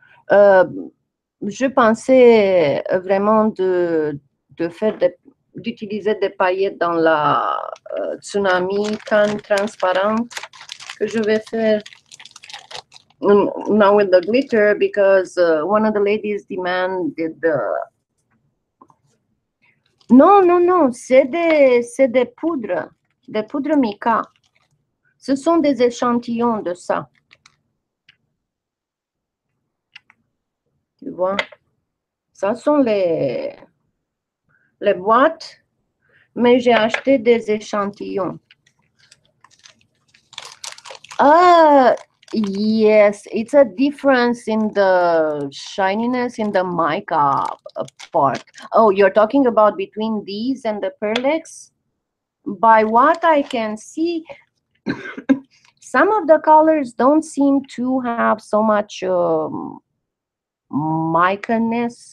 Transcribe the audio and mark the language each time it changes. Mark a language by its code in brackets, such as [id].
[fr] je pensais vraiment d'utiliser des paillettes dans la tsunami can transparente que je vais faire. [en] Now with the glitter, because one of the ladies demanded the... [fr] Non, c'est des poudres, des poudres mica. Ce sont des échantillons de ça. Tu vois? Ça sont les boîtes, mais j'ai acheté des échantillons. [en] Ah, yes, it's a difference in the shininess in the mica part. Oh, you're talking about between these and the perlex? By what I can see, some of the colors don't seem to have so much mica-ness.